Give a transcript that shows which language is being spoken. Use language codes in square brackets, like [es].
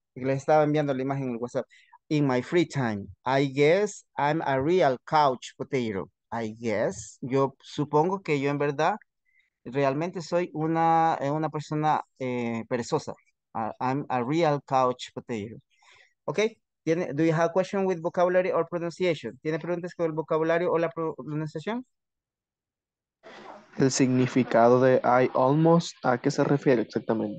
[es] Les estaba enviando la imagen en el WhatsApp. [en] In my free time. I guess I'm a real couch potato. I guess. [es] Yo supongo que yo en verdad realmente soy una persona perezosa. [en] I'm a real couch potato. Okay. Do you have a question with vocabulary or pronunciation? [es] ¿Tiene preguntas con el vocabulario o la pronunciación? El significado de I almost, ¿a qué se refiere exactamente?